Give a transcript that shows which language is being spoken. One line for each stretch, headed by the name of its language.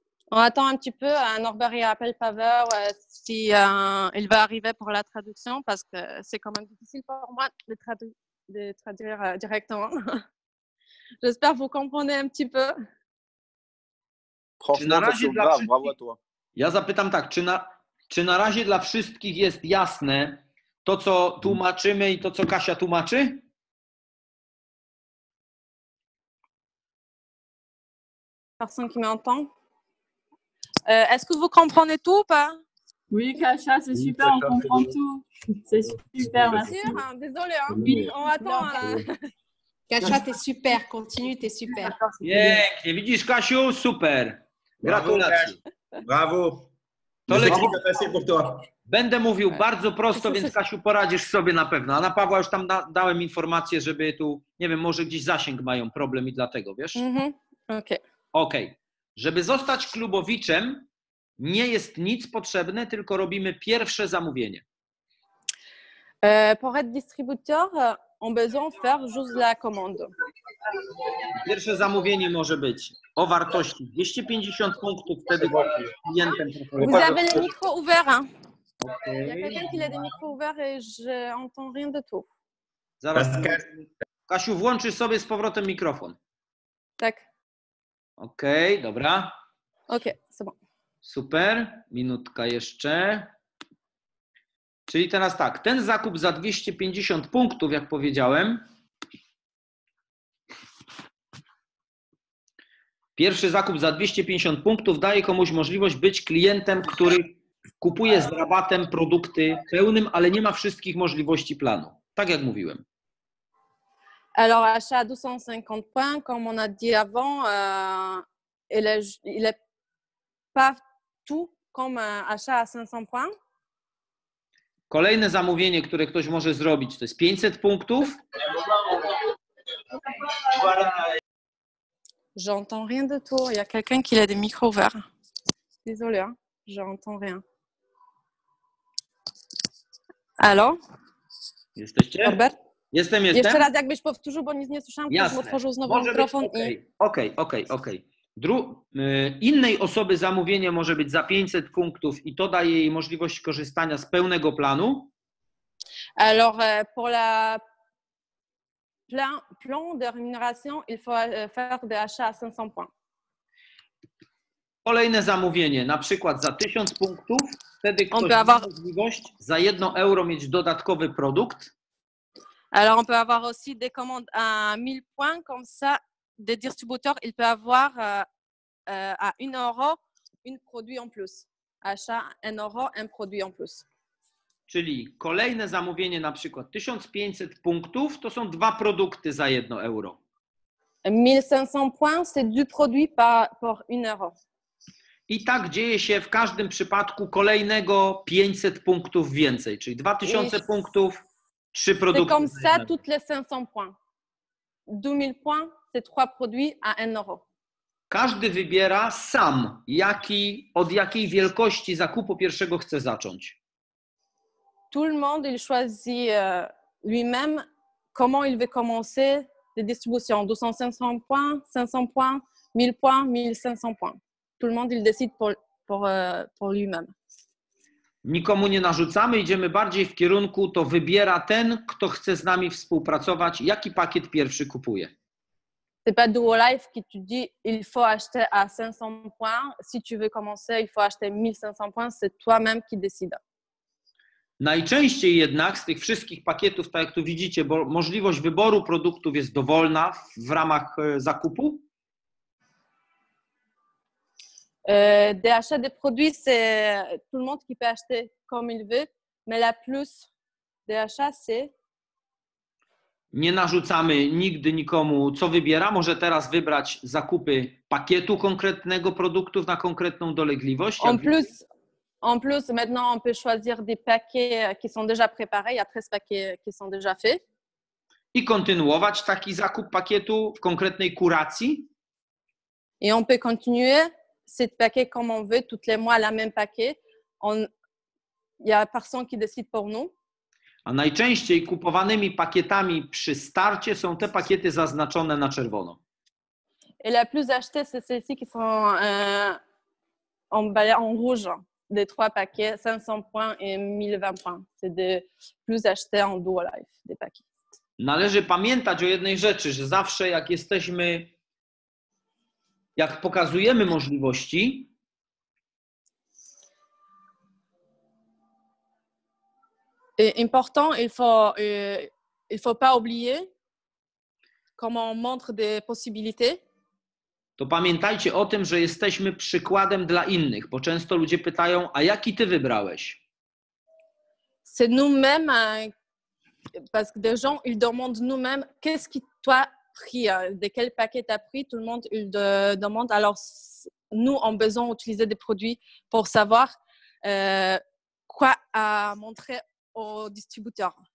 French: On attend un petit peu, Norbert y appelle Paweł, si il va arriver pour la traduction, parce que c'est quand même difficile pour moi de traduire directement. J'espère que vous comprenez un petit peu. Franchement, c'est super, bravo à toi.
Polish: Ja zapytam tak, czy na razie dla wszystkich jest jasne, to, co tłumaczymy i to, co Kasia tłumaczy?
French: Personne qui m'entend. Est-ce que vous comprenez tout ou pas? Oui, Kasia, c'est super, on comprend tout. C'est super, merci. Désolé, hein. Oui. On attend. Kasia, t'es super. Continue, t'es super. Yeah, et vidis, Kasia, super.
Polish: Gratulacje.
French: Bravo.
Polish: To lepiej. Będę mówił bardzo prosto, więc Kasiu, poradzisz sobie na pewno. A na Pawła już tam dałem informację, żeby tu, nie wiem, może gdzieś zasięg mają problem i dlatego, wiesz? Okej. Żeby zostać klubowiczem, nie jest nic potrzebne, tylko robimy pierwsze zamówienie.
French: Pour être distributeur, on besoin faire juste la commande.
Polish: Pierwsze zamówienie może być o wartości 250 punktów wtedy klientem.
French: Vous avez le micro ouvert, hein? Okay. Il y a quelqu'un qui a des micros ouverts et je n'entends rien de tout.
Polish: Zaraz. Kasiu, włączysz sobie z powrotem mikrofon. Tak. Okej, okay, dobra.
French: Okej, okay, c'est bon.
Polish: Super, minutka jeszcze. Czyli teraz tak, ten zakup za 250 punktów, jak powiedziałem. Pierwszy zakup za 250 punktów daje komuś możliwość być klientem, który kupuje z rabatem produkty pełnym, ale nie ma wszystkich możliwości planu. Tak jak mówiłem.
French: Alors, achat 250 points, comme on a dit avant, il est pas tout comme achat à 500 points.
Polish: Kolejne zamówienie, które ktoś może zrobić, to jest 500 punktów.
French: J'entends rien de tout. Il y a quelqu'un qui a des micros ouverts. Désolé, hein? J'entends rien. Allô?
Polish: Jesteście? Robert? Jestem. Jeszcze raz, jakbyś powtórzył, bo nic nie słyszałam, ktoś mu otworzył znowu może mikrofon być, okay. I... Okej. Innej osoby zamówienie może być za 500 punktów i to daje jej możliwość korzystania z pełnego planu.
French: Alors, pour la plan de remuneration, il faut faire des achats à 500 points.
Polish: Kolejne zamówienie, na przykład za 1000 punktów, wtedy ktoś ma możliwość za 1 euro mieć dodatkowy produkt.
French: Alors, on peut avoir aussi des commandes à 1000 points, comme ça, des distributeurs, il peut avoir à 1 euro un produit en plus. Achat 1 euro, un produit en plus.
Polish: Czyli kolejne zamówienie, na przykład 1500 punktów, to są dwa produkty za 1 euro.
French: 1500 points, c'est deux produits pour 1 euro.
Polish: I tak dzieje się w każdym przypadku kolejnego 500 punktów więcej, czyli 2000 punktów. Trzy produkty.
French: C'est comme ça, toutes les 500 points. 2000 points, c'est trois produits à 1 euro.
Polish: Każdy wybiera sam, od jakiej wielkości zakupu pierwszego chce zacząć.
French: Tout le monde, il choisit lui-même comment il veut commencer les distributions. 200-500 points, 500 points, 1000 points, 1500 points. Tout le monde, il décide pour lui-même.
Polish: Nikomu nie narzucamy, idziemy bardziej w kierunku, to wybiera ten, kto chce z nami współpracować, jaki pakiet pierwszy kupuje.
French: C'est pas Duo Life qui tu dis il faut acheter à 500 points, si tu veux commencer, il faut acheter 1500 points, c'est toi-même qui décide.
Polish: Najczęściej jednak z tych wszystkich pakietów, tak jak tu widzicie, bo możliwość wyboru produktów jest dowolna w ramach zakupu.
French: Des achats de produits, c'est tout le monde qui peut acheter comme il veut, mais la plus des achats, c'est...
Polish: Nie narzucamy nigdy nikomu, co wybiera. Może teraz wybrać zakupy pakietu konkretnego produktów na konkretną dolegliwość.
French: En plus, maintenant on peut choisir des paquets qui sont déjà préparés, il y a 13 paquets qui sont déjà faits.
Polish: I kontynuować taki zakup pakietu w konkretnej kuracji.
French: Et on peut continuer. Cet paquet comme on veut, toutes les mois, la même paquet. Il y a personne qui décide pour nous.
Polish: A najczęściej kupowanymi pakietami przy starcie są te pakiety zaznaczone na czerwono.
French: Et la plus achetée, c'est celles-ci qui sont en rouge, les trois paquets, 500 points et 1020 points. C'est les plus achetées en Duo Life, des paquets.
Polish: Należy pamiętać o jednej rzeczy, że zawsze jak jesteśmy... Jak pokazujemy możliwości,
French: important, il faut pas oublier comment on montre des possibilités.
Polish: To pamiętajcie o tym, że jesteśmy przykładem dla innych, bo często ludzie pytają, a jaki ty wybrałeś?
French: C'est nous-mêmes, parce que des gens, ils demandent nous-mêmes, qu'est-ce que toi pris, de quel paquet tu as pris, tout le monde il demande. Alors, nous, on a besoin d'utiliser des produits pour savoir quoi à montrer au distributeur.